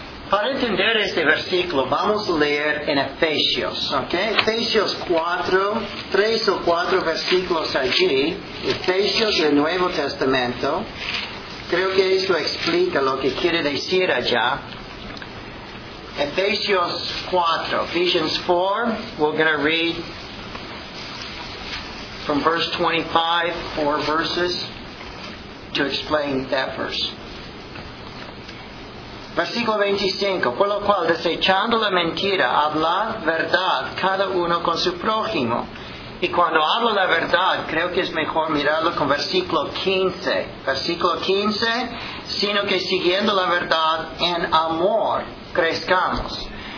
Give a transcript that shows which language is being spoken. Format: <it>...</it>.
<es>Para entender este versículo, vamos a leer en Efesios, ¿ok? Efesios 4, 3 o 4 versículos allí, Efesios del Nuevo Testamento, creo que esto explica lo que quiere decir allá.</es> <en>Efesios 4, Ephesians 4, we're going to read from verse 25, 4 verses, to explain that verse.</en> <es>Versículo 25, por lo cual, desechando la mentira, hablad verdad cada uno con su prójimo. Y cuando hablo la verdad, creo que es mejor mirarlo con versículo 15. Versículo 15, sino que siguiendo la verdad en amor, crezcamos.</es>